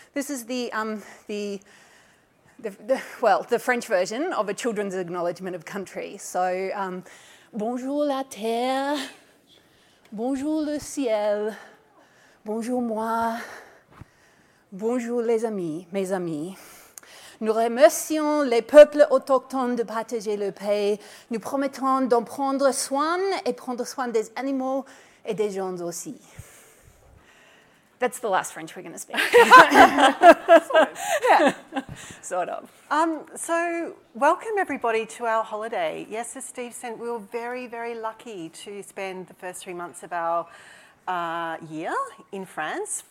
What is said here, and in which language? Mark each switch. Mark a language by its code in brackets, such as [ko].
[en] This is the French version of a children's acknowledgement of country. [fr] So, bonjour la terre, bonjour le ciel, bonjour moi, bonjour les amis, mes amis. Nous remercions les peuples autochtones de partager le pays. Nous promettons d'en prendre soin et prendre soin des animaux et des gens aussi. [en] That's the last French we're going to speak. Sort of. So welcome, everybody, to our holiday. Yes, as Steve said, we were very, very lucky to spend the first 3 months of our year in France.